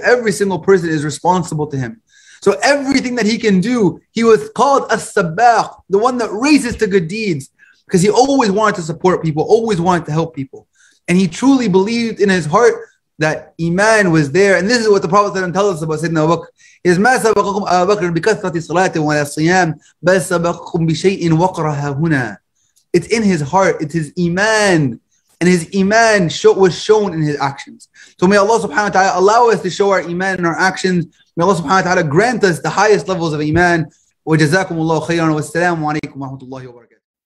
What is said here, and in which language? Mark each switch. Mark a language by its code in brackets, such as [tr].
[en] Every single person is responsible to him. So everything that he can do, he was called as-sabbaq, the one that races to good deeds, because he always wanted to support people, always wanted to help people. And he truly believed in his heart that Iman was there. And this is what the Prophet ﷺ tells us about Sayyidina Abu Bakr. [ar] He says, مَا سَبَقَكُمْ أَبَا بَكْرٍ بِكَثْرَةِ صَلَاتٍ وَلَا صِيَامٍ بَا سَبَقَكُمْ بِشَيْءٍ وَقْرَهَا هُنَا. [en] It's in his heart, it's his Iman. And his Iman was shown in his actions. So may Allah subhanahu wa ta'ala allow us to show our Iman in our actions. May Allah subhanahu wa ta'ala grant us the highest levels of Iman. Wa jazakumullahu khayran wa assalamu alaikum wa rahmatullahi wa barakatuh.